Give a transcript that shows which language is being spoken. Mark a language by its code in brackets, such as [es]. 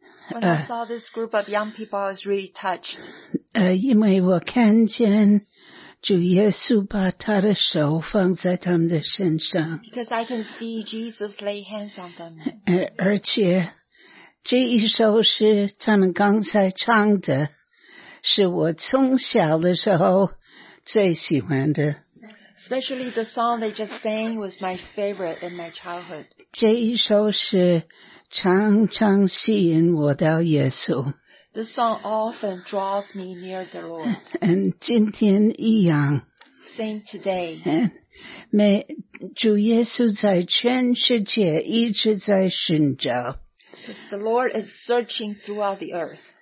[en] When I saw this group of young people, I was really touched. [zh] 因为我看见, 主耶稣把他的手放在他们的身上, [en] Because I can see Jesus lay hands on them. [zh] 而且, 这一首诗他们刚才唱的, 是我从小的时候最喜欢的, [en] Especially the song they just sang was my favorite in my childhood. [zh] 这一首诗, 常常吸引我到耶稣, [en] The song often draws me near the Lord. And [zh] 今天一样, [en] Same today. [zh] 主耶稣在全世界一直在寻找, [en] Because the Lord is searching throughout the earth.